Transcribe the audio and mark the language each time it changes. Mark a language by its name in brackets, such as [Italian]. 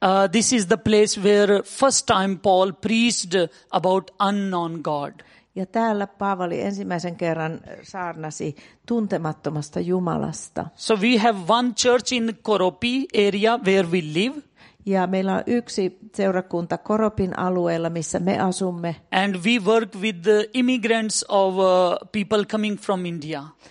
[English] This is the place where first time Paul preached about unknown God. [Finnish] Ja täällä Paavali ensimmäisen kerran saarnasi tuntemattomasta Jumalasta. [English] So we have one church in Koropi area where we live. [Finnish] Ja meillä on yksi seurakunta Koropin alueella, missä me asumme. [English] And we work with the immigrants of people coming from India.